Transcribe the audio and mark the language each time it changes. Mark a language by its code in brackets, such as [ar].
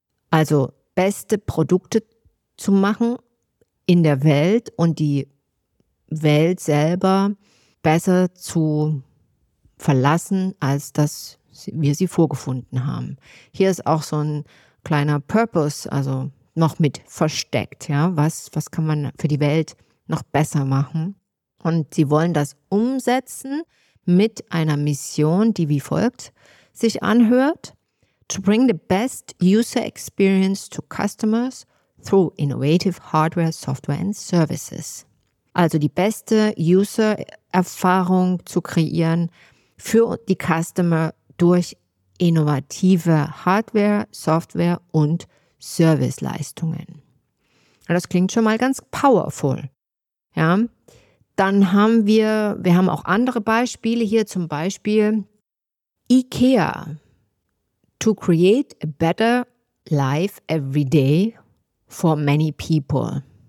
[de] Also beste Produkte zu machen in der Welt und die Welt selber besser zu verlassen, als dass wir sie vorgefunden haben. Hier ist auch so ein kleiner Purpose, also noch mit versteckt. Ja? Was kann man für die Welt noch besser machen? Und sie wollen das umsetzen mit einer Mission, die wie folgt sich anhört. [en] To bring the best user experience to customers through innovative hardware, software and services. [de] Also die beste User-Erfahrung zu kreieren für die Customer durch innovative Hardware, Software und Serviceleistungen. Das klingt schon mal ganz powerful. Ja? Dann haben wir haben auch andere Beispiele hier, zum Beispiel IKEA. [en] To create a better life every day for many people.